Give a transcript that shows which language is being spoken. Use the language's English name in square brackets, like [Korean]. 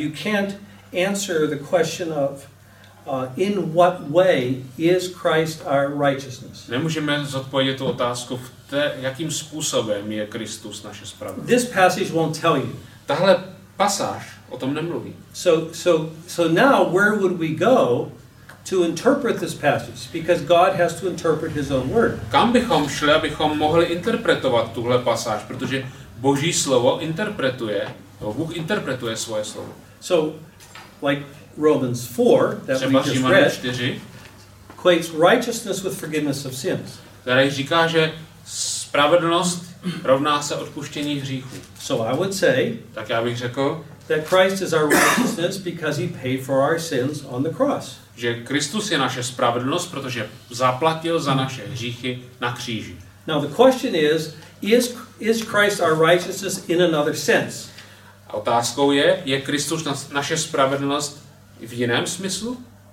[English] You can't answer the question of in what way is Christ our righteousness. [Czech] Nemůžeme zodpovědět tu otázku, jakým způsobem je Kristus naše spravedlnost. [English] This passage won't tell you. [Czech] Tahle pasáž o tom nemluví. [English] So now where would we go to interpret this passage, because God has to interpret his own word. [Czech] Kam bychom šli, abychom mohli interpretovat tuhle pasáž, protože Boží slovo interpretuje. Bůh interpretuje svoje slovo. [English] So, like Romans 4, that [Czech] třeba [English] we just [Czech] Římanům [English] read, [Czech] 4, [English] equates righteousness with forgiveness of sins. [Czech] Tady říká, že spravedlnost rovná se odpuštění hříchu. [English] So I would say, [Czech] tak já bych řekl, [English] that Christ is our righteousness because he paid for our sins on the cross. [Czech] Že Kristus je naše spravedlnost, protože zaplatil za naše hříchy na kříži. [English] Now the question is Christ our righteousness in another sense? [Czech] A otázkou je Kristus naše spravedlnost v jiném smyslu?